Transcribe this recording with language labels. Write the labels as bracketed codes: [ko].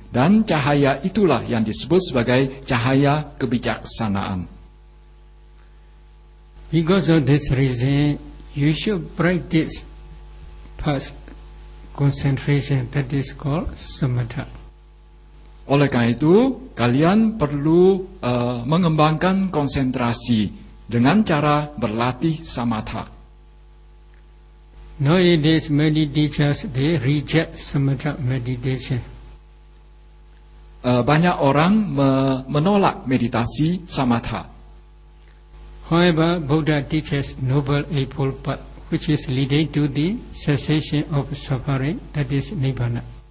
[id] Dan cahaya itulah yang disebut sebagai cahaya kebijaksanaan. [en] Because of this reason, you should practice past concentration, that is called samatha. [id] Oleh karena itu, kalian perlu mengembangkan konsentrasi dengan cara berlatih samatha. [en] Nowadays, many teachers, they reject samatha meditation. [id] Banyak orang menolak meditasi samatha. [en] However, Buddha teaches noble eightfold path, which is leading to the cessation of suffering, that is nibbana.